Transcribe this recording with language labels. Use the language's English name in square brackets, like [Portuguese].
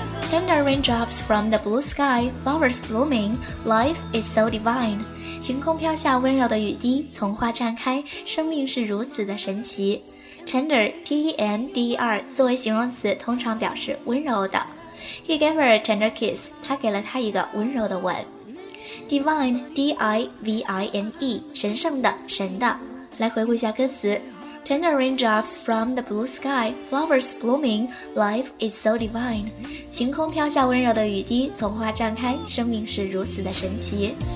[English] Tender raindrops from the blue sky, flowers blooming, life is so divine. [Chinese] 晴空飘下温柔的雨滴，从花绽开，生命是如此的神奇。 Tender, T-E-N-D-E-R, 作为形容词，通常表示温柔的。 [English] He gave her a tender kiss, [Chinese] 他给了她一个温柔的吻。 Divine, D-I-V-I-N-E, 神圣的，神的。来回顾一下歌词。 [English] Tender raindrops from the blue sky, flowers blooming, life is so divine. [Chinese] 晴空飘下温柔的雨滴，从花绽开，生命是如此的神奇。